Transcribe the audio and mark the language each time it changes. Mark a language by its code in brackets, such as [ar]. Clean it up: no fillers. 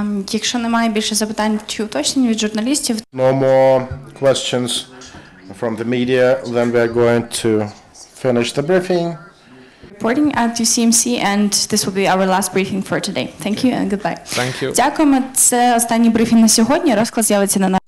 [uk] Якщо немає більше запитань чи уточнень від журналістів, [en] no more questions from the media, then we are going to finish the briefing. Reporting at UCMC, and this will be our last briefing for today. Thank you and goodbye. Thank you. [uk] Дякуємо. Це останній брифінг на сьогодні. Розклад з'явиться на